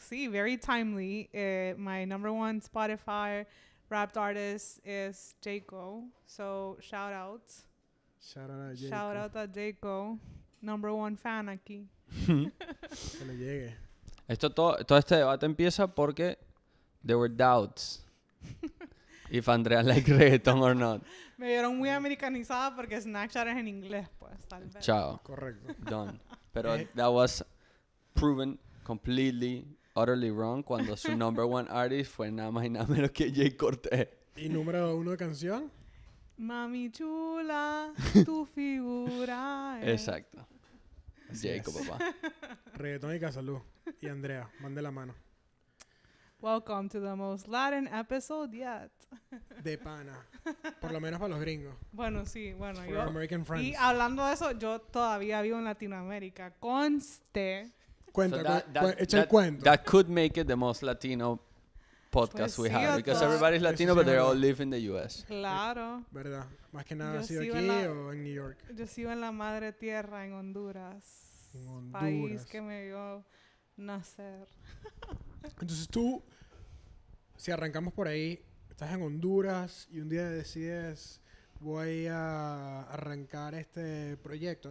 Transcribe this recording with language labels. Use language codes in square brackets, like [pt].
[en] Sí, very timely. My number one Spotify Wrapped artist is Jayco. So shout out. Shout out a Jayco. Number one fan [es] aquí. Que le llegue. Esto todo este debate empieza porque [en] there were doubts. If Andrea like reggaeton or not. [es] Me vieron muy americanizada porque Snapchat es en inglés, pues, tal vez. Chao. Correcto. [en] Done. [es] Pero [en] that was proven completely, utterly wrong [es] cuando su [en] number one artist [es] fue nada más y nada menos que Jay Cortez. ¿Y número uno de canción? Mami chula, tu figura. Exacto. Jayco, papá. Reggaeton y Casalú. Y Andrea, mande la mano. [en] Welcome to the most Latin episode yet. [es] De pana. Por lo menos para los gringos. Bueno, sí, bueno. [en] For our American friends. [es] Y hablando de eso, yo todavía vivo en Latinoamérica. Conste. Cuenta, echa el cuento. [en] That could make it the most Latino podcast, [es] pues, sí, [en] have. [es] Todo. [en] Because everybody's Latino, [es] sí, [en] but they all live in the U.S. [es] Claro. Verdad. Más que nada, ¿sido aquí o en New York? Yo sigo en la madre tierra, en Honduras. En Honduras. País que me vio nacer. Entonces tú, si arrancamos por ahí, estás en Honduras y un día decides voy a arrancar este proyecto.